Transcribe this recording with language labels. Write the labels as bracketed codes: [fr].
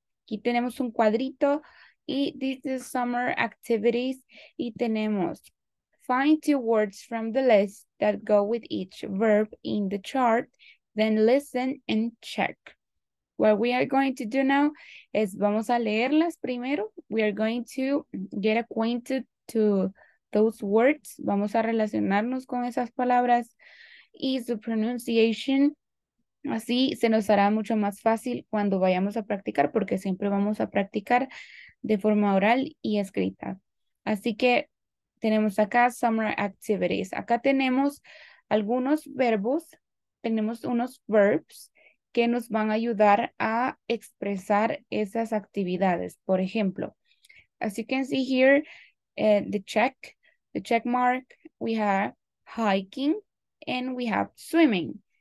[es] Aquí tenemos un cuadrito [en] y this is summer activities [es] y tenemos [en] find two words from the list that go with each verb in the chart, then listen and check. What we are going to do now is [es] vamos a leerlas primero. [en] We are going to get acquainted to those words. [es] Vamos a relacionarnos con esas palabras y su pronunciation. Así se nos hará mucho más fácil cuando vayamos a practicar, porque siempre vamos a practicar de forma oral y escrita. Así que tenemos acá summer activities. Acá tenemos algunos verbos, tenemos unos verbs que nos van a ayudar a expresar esas actividades. Por ejemplo, [en] as you can see here, the check mark, we have hiking and we have swimming.